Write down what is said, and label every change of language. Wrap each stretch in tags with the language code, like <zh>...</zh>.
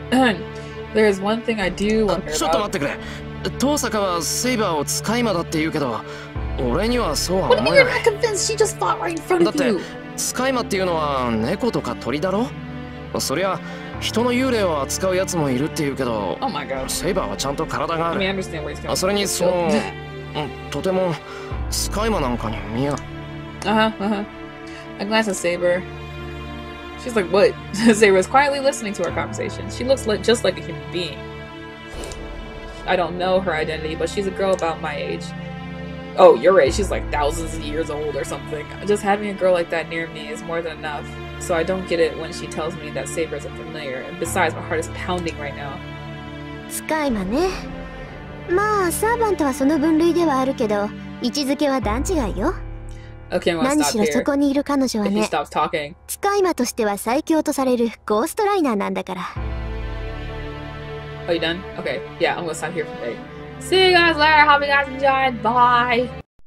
<en>There is one thing I do wonder about.</en> <ja>ちょっと待ってくれ。トーサカはセイバーを使い魔だって言うけど、俺にはそうは思えない。</ja> <en>What do you mean you're not convinced? She just fought right in front of you.</en> <ja>だって、使い魔っていうのは猫とか鳥だろ?そりゃ、人の幽霊を扱うやつもいるっていうけど、</ja> <en>Oh my god.</en> <ja>セイバーはちゃんと体がある。</ja> <en>I mean, I understand where he's coming from.</en> <ja>それに、その、とても使い魔なんかに見えない。</ja> <en>Uh-huh, uh-huh. A glance at Saber. She's like, what? Saber is quietly listening to our conversation. She looks like just like a human being. I don't know her identity, but she's a girl about my age. Oh, you're right. She's like thousands of years old or something. Just having a girl like that near me is more than enough. So I don't get it when she tells me that Saber isn't familiar. And besides, my heart is pounding right now.</en> <ja>まあ、サーバントはその分類ではあるけど、位置づけは段違いよ。何しろそこにいる彼女はね、使い魔としては最強とされるゴーストライナーなんだから。</ja> <en>Are you done? Okay, yeah, I'm gonna stop here for today. See you guys later. Hope you guys enjoyed. Bye!</en>